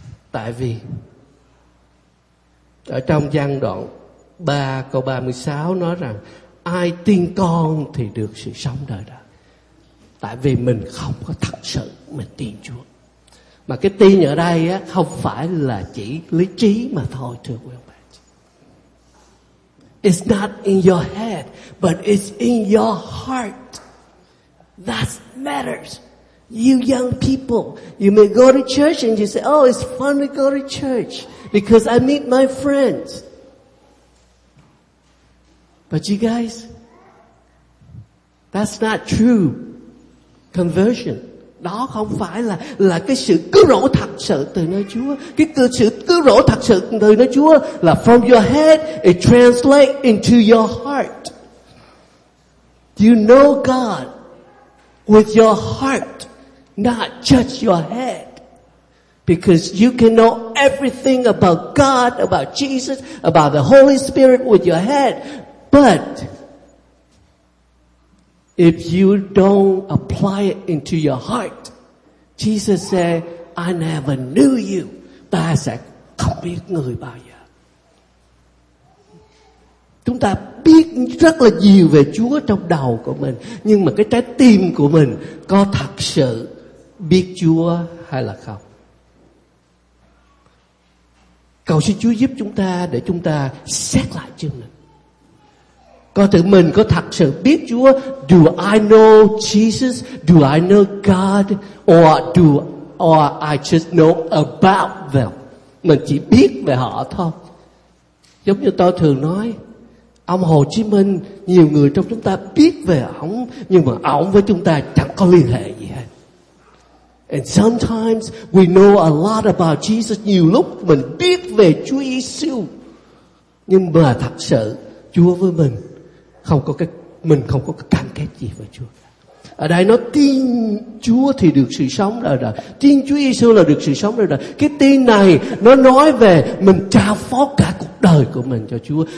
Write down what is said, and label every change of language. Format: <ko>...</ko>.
<vi>Tại vì ở trong văn đoạn 3 câu 36 nói rằng ai tin con thì được sự sống đời đời. Tại vì mình không có thật sự mình tin Chúa. Mà cái tin ở đây á, không phải là chỉ lý trí mà thôi, thưa quý ông bà.</vi> <en>It's not in your head, but it's in your heart. That matters. You young people, you may go to church and you say, oh, it's fun to go to church because I meet my friends. But you guys, that's not true conversion.</en> <vi>Đó không phải là cái sự cứu rỗi thật sự từ nơi Chúa. Cái sự cứu rỗi thật sự từ nơi Chúa là</vi> <en>from your head, it translates into your heart. You know God. with your heart, not just your head. Because you can know everything about God, about Jesus, about the Holy Spirit with your head. But if you don't apply it into your heart, Jesus said, I never knew you.</en> <vi>Ta sẽ không biết người bao giờ. Chúng ta biết rất là nhiều về Chúa trong đầu của mình, nhưng mà cái trái tim của mình có thật sự biết Chúa hay là không? Cầu xin Chúa giúp chúng ta để chúng ta xét lại chính mình. Coi thử mình có thật sự biết Chúa.</vi> <en>Do I know Jesus? Do I know God? Or I just know about them?</en> <vi>Mình chỉ biết về họ thôi. Giống như tôi thường nói, ông Hồ Chí Minh, nhiều người trong chúng ta biết về ổng, nhưng mà ổng với chúng ta chẳng có liên hệ gì hết.</vi> <en>And sometimes we know a lot about Jesus.</en> <vi>Nhiều lúc mình biết về Chúa Giêsu, nhưng mà thật sự Chúa với mình không có cái, mình không có cái cam kết gì với Chúa. Ở đây nó tin Chúa thì được sự sống đời đời, tin Chúa Giêsu là được sự sống đời đời. Cái tin này nó nói về mình trao phó cả cuộc đời của mình cho Chúa.</vi>